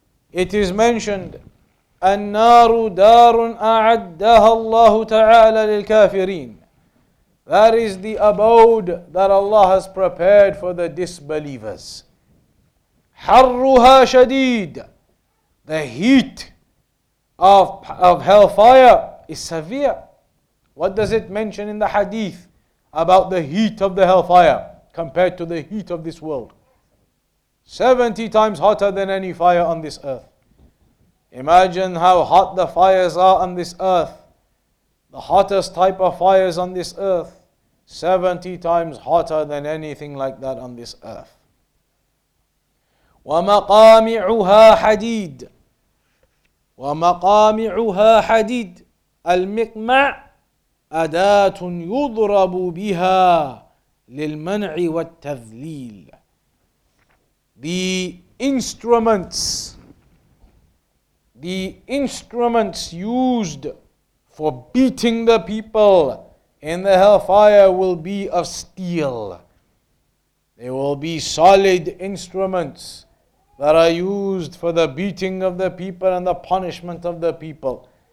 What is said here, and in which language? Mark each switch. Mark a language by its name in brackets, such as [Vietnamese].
[English] It is mentioned, [Arabic] النار دار أعدها الله تعالى للكافرين. [English] That is the abode that Allah has prepared for the disbelievers. [Arabic] حرها شديد. [English] The heat of hellfire is severe. What does it mention in the hadith about the heat of the hellfire compared to the heat of this world? 70 times hotter than any fire on this earth. Imagine how hot the fires are on this earth. The hottest type of fires on this earth. 70 times hotter than anything like that on this earth. [Arabic] وَمَقَامِعُهَا حَدِيدٌ. وَمَقَامِعُهَا حَدِيدٌ. الْمِقْمَعُ. أداة يضرب بها للمنع والتذليل. [English] The instruments, the instruments used for beating the people in the hellfire will be of steel. They will be solid instruments that are used for the beating of the people and the punishment of the people.